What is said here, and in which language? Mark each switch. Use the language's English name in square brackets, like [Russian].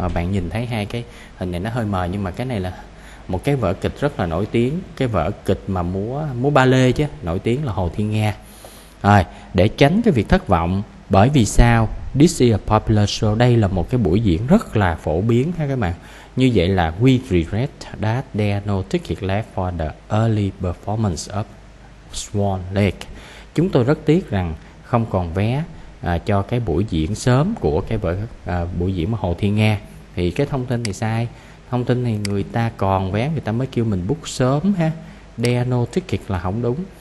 [Vietnamese] Bạn nhìn thấy hai cái hình này nó hơi mờ, nhưng mà cái này là một cái vở kịch rất là nổi tiếng. Cái vở kịch mà múa ba lê chứ, nổi tiếng là Hồ Thiên Nga. Rồi, để tránh cái việc thất vọng, bởi vì sao? [English] This is a popular show. [Vietnamese] Đây là một cái buổi diễn rất là phổ biến ha các bạn. Như vậy là [English] we regret that there are no tickets left for the early performance of Swan Lake. [Vietnamese] Chúng tôi rất tiếc rằng không còn vé cho cái buổi diễn sớm của cái buổi diễn Hồ Thiên Nga. Thì cái thông tin này sai. Thông tin này người ta còn vé, người ta mới kêu mình book sớm ha. [English] There are no tickets [Vietnamese] là không đúng.